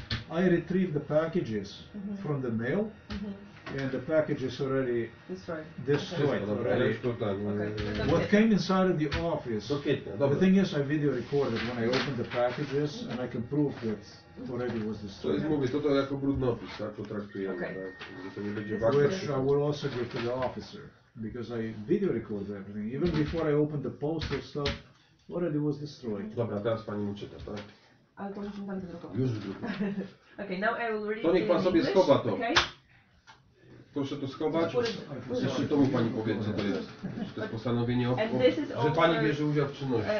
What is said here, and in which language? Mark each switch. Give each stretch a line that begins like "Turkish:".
English: I retrieved the packages mm-hmm. from the mail mm-hmm. and the packages already destroyed. Okay. What came inside of the office, okay. The thing is I video recorded when I opened the packages mm-hmm. and I can prove that already was destroyed.
Polish: So it's to jako brudny opis, tak to traktujemy,
English: okay.
Polish: Tak?
English: Which I will also give to the officer because I video recorded everything. Even before I opened the postal stuff, already was destroyed.
Polish: Dobra, teraz pani mu czyta, tak? Ale to muszę tam zdrukować.
English: Okay, now I will read
Polish: to niech pan sobie
English: English,
Polish: schowa to.
English: Okay?
Polish: Proszę to schować. Jeszcze to mu pani powie, co to jest. Czy to jest postanowienie, że pani bierze udział w czynności.